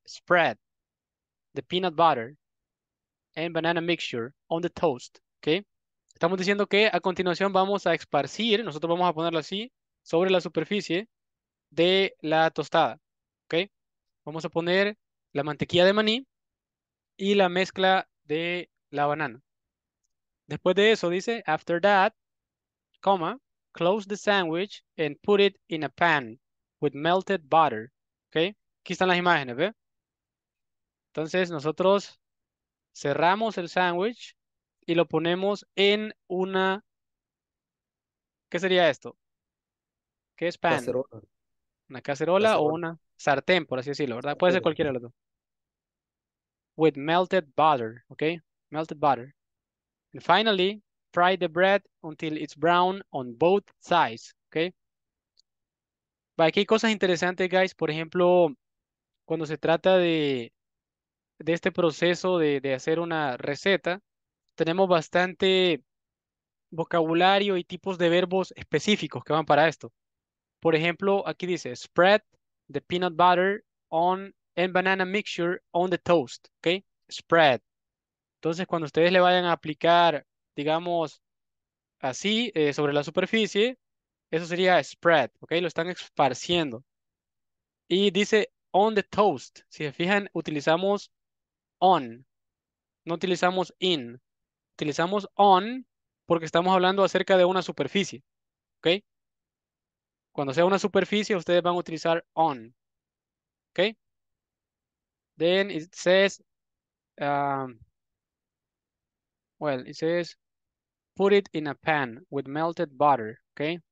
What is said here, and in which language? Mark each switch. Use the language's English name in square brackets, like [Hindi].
[English] Spread the peanut butter and banana mixture on the toast. Okay. [Spanish] Estamos diciendo que a continuación vamos a esparcir, nosotros vamos a ponerlo así, sobre la superficie de la tostada. Okay. Vamos a poner la mantequilla de maní y la mezcla de la banana. Después de eso dice, [English] after that, comma, close the sandwich and put it in a pan with melted butter. [Spanish] Okay. Aquí están las imágenes, ¿ve? Entonces nosotros cerramos el sándwich y lo ponemos en una, ¿qué sería esto? ¿Qué es pan? Cacerola. ¿Una cacerola o una sartén, por así decirlo, verdad? Puede ser cualquiera de los dos. [English] With melted butter, okay? Melted butter. And finally, fry the bread until it's brown on both sides, okay? [Spanish] Vale, aquí hay cosas interesantes, guys. Por ejemplo, cuando se trata de este proceso de hacer una receta, tenemos bastante vocabulario y tipos de verbos específicos que van para esto. Por ejemplo, aquí dice, [English] spread the peanut butter on and banana mixture on the toast, [Spanish] ¿ok? Spread. Entonces, cuando ustedes le vayan a aplicar, digamos, así, sobre la superficie, eso sería spread, ¿ok? Lo están esparciendo. Y dice, [English] on the toast. [Spanish] Si se fijan, utilizamos on. No utilizamos in. Utilizamos on porque estamos hablando acerca de una superficie, ¿ok? Cuando sea una superficie, ustedes van a utilizar on, ¿ok? [English] Then it says, well, it says, put it in a pan with melted butter, ¿ok?